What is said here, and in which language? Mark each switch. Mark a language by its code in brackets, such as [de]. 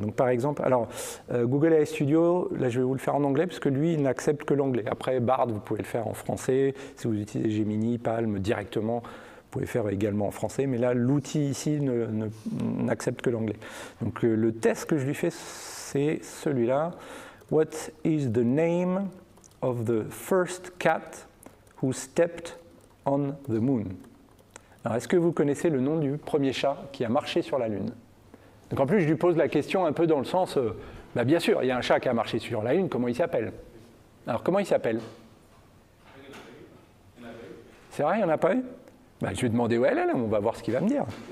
[fr] Donc, par exemple, alors, Google AI Studio, là, je vais vous le faire en anglais parce que lui, il n'accepte que l'anglais. Après, Bard, vous pouvez le faire en français si vous utilisez Gemini, Palm directement. Vous pouvez faire également en français, mais là, l'outil ici n'accepte que l'anglais. Donc, le test que je lui fais, c'est celui-là. [en] What is the name of the first cat who stepped on the moon? [fr] Alors, est-ce que vous connaissez le nom du premier chat qui a marché sur la Lune? Donc, en plus, je lui pose la question un peu dans le sens, bien sûr, il y a un chat qui a marché sur la Lune, comment il s'appelle? Alors, comment il s'appelle? C'est vrai, il n'y en a pas eu? Je vais demander où elle est, on va voir ce qu'il va me dire.